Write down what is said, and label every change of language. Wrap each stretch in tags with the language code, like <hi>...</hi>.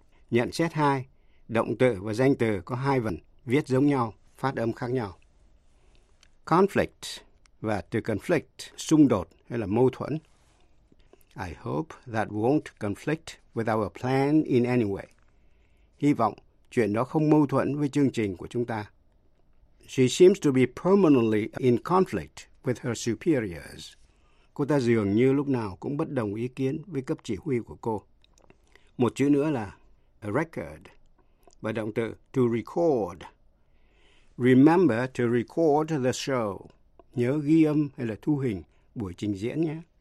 <vi>Nhận xét hai, động từ và danh từ có hai vần, viết giống nhau, phát âm khác nhau. Conflict và to conflict, xung đột hay là mâu thuẫn.</vi> <en>I hope that won't conflict with our plan in any way.</en> <vi>Hy vọng chuyện đó không mâu thuẫn với chương trình của chúng ta.</vi> <en>She seems to be permanently in conflict with her superiors.</en> <vi>Cô ta dường như lúc nào cũng bất đồng ý kiến với cấp chỉ huy của cô. Một chữ nữa là a record, và động từ to record.</vi> <en>Remember to record the show.</en> <vi>Nhớ ghi âm hay là thu hình buổi trình diễn nhé.</vi>